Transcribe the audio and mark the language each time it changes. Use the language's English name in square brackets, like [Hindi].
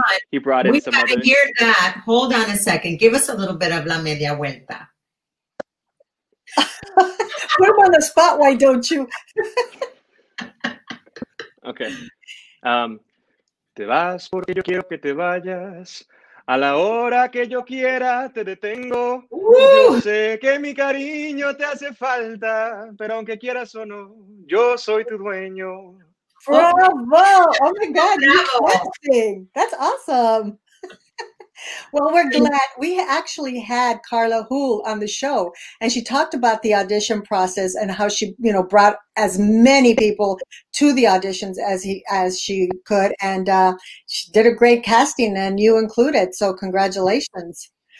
[English] He brought in some others. We gotta hear that. Hold on a second. Give us a little bit of La Media Vuelta. Put him on the spot, why don't you? Okay. [Spanish] Te vas porque yo quiero que te vayas. A la hora que yo quiera, te detengo. Woo! Yo sé que mi cariño te hace falta, pero aunque quieras o no, yo soy tu dueño. [English] Bravo! Oh my God, you're dancing. That's awesome. Well, we're glad. We actually had Carla Hull on the show, and she talked about the audition process and how she, you know, brought as many people to the auditions as she could, and she did a great casting, and you included, so congratulations.